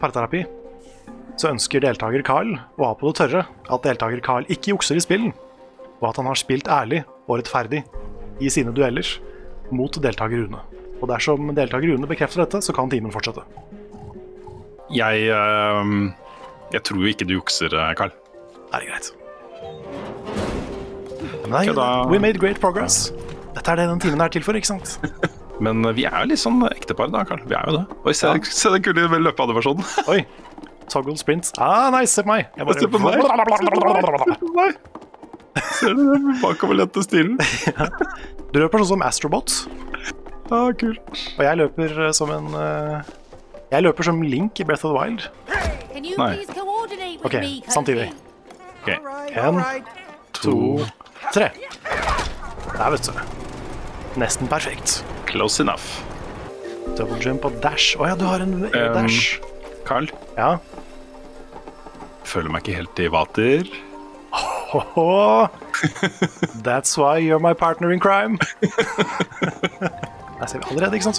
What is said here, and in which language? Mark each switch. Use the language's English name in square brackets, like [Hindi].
[Norwegian] Parterapi. Så ønsker deltaker Carl å ha på det tørre at deltaker Carl ikke jukser i spillen, og at han har spilt ærlig og rettferdig i sine dueller mot deltaker Rune. Og dersom deltaker Rune bekrefter dette, så kan teamen fortsette. Jeg tror jo ikke du jukser, Carl. Er det greit? Nei, [English] we made great progress. [Norwegian] Dette er det den teamen er til for, ikke sant? Men vi er jo litt sånn ektepar da, Carl. Vi er jo det. Oi, se, ja. Se den kule løpeadversjonen. Oi. Toggle sprint. Ah, nice, se på meg. Bare... Se på meg. Ser du den bakover lette stilen? Du løper sånn som Astrobot. Ah, kult. Og jeg løper som en... jeg løper som Link i Breath of the Wild. Nei. Ok, samtidig. Ok. En, to, tre. Der, vet du. Nesten perfekt. [English] Close enough. [Norwegian] Double jump og dash. Åja, du har en dash. Carl? Ja? Føler meg ikke helt i vater. Ho, ho, ho. [English] That's why you're my partner in crime. [Norwegian] Der ser vi allerede, ikke sant?